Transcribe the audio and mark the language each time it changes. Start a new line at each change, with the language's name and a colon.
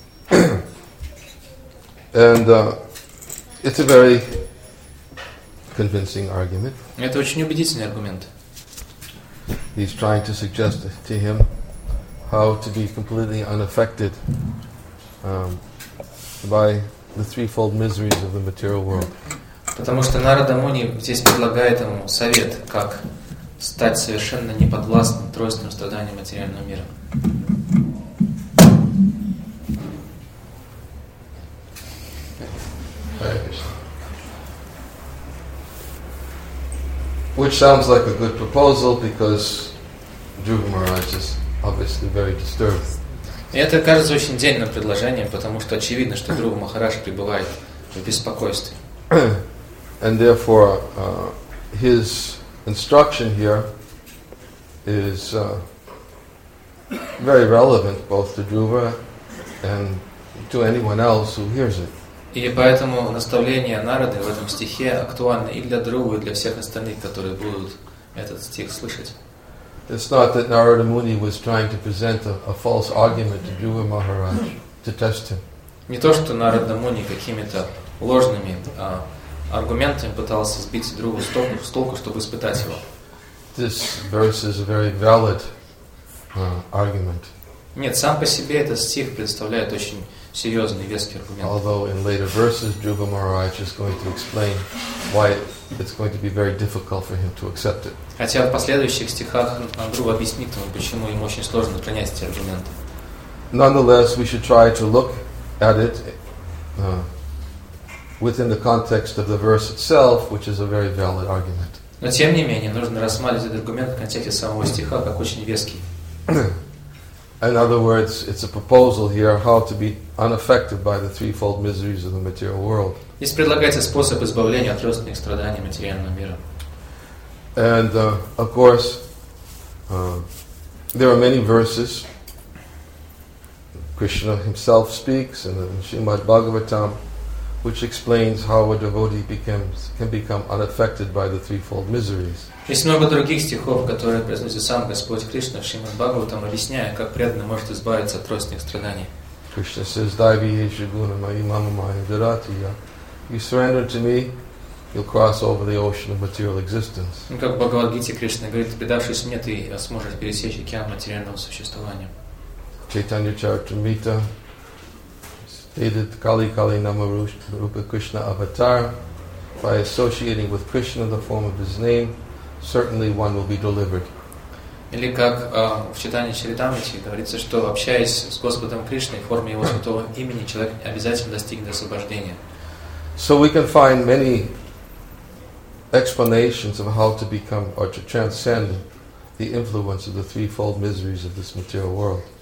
English: And it's a very convincing argument.
Russian: Это очень убедительный аргумент.
English: He's trying to suggest to him how to be completely unaffected by the threefold miseries of the material world.
Russian: Потому что Нарада Муни здесь предлагает ему совет, как стать совершенно неподвластным тройственным страданиям материального мира.
English: Which sounds like a good proposal because Dhruva Maharaj is obviously very disturbed.
Russian: И это кажется очень дельным предложением, потому что очевидно, что Дхрува Махарадж пребывает в беспокойстве.
English: And therefore, his instruction here is very relevant both to Dhruva and to anyone else who hears it.
Russian: И поэтому наставление Нарады в этом стихе актуально и для Дхрувы, и для всех остальных, которые будут этот стих слышать.
English: It's not that Narada Muni was trying to present a false argument to Dhruva Maharaj to test him.
Russian: Не то, что Нарада Муни какими-то ложными аргументами пытался сбить Дхруву с толку, чтобы испытать его.
English: This verse is a very valid argument.
Russian: Нет, сам по себе этот стих представляет очень серьезный, веский аргумент.
English: Although in later verses, Dhruva Maharaj is going to explain why it's going to be very difficult for him to accept it.
Russian: Хотя в последующих стихах Дхрува объяснит ему, почему ему очень сложно принять эти аргументы.
English: Nonetheless, we should try to look at it within the context of the verse itself, which is a very valid argument.
Russian: Но тем не менее, нужно рассматривать этот аргумент в контексте самого стиха как очень веский.
English: In other words, it's a proposal here how to be unaffected by the threefold miseries of the material world.
Russian: Здесь предлагается способ избавления от тройственных страданий материального мира.
English: And of course, there are many verses. Krishna himself speaks in the Srimad Bhagavatam, which explains how a devotee can become unaffected by the threefold miseries.
Russian: Есть много других стихов, которые произносит сам Господь Кришна в Шримад Бхагаватам, объясняя, как преданный может избавиться от тройственных страданий.
English: Krishna says,
Sanskrit: "Daivyeshu guna mai mama maya dharatiya.
English: You surrender to me, you'll cross over the ocean of material existence."
Russian: Ну, как в Бхагавад-гите Кришна говорит, предавшись мне, ты сможешь пересечь океан материального существования.
English: Chaitanya Charitamrita stated,
Bangla: "Kali Kali Namarupa Krishna Avatar.
English: By associating with Krishna, the form of his name, certainly one will be delivered."
Russian: Или как в читании Чаритамрити говорится, что общаясь с Господом Кришной в форме Его Святого Имени, человек обязательно достигнет освобождения.
English: So we can find many explanations of how to become or to transcend the influence of the threefold miseries of this material world.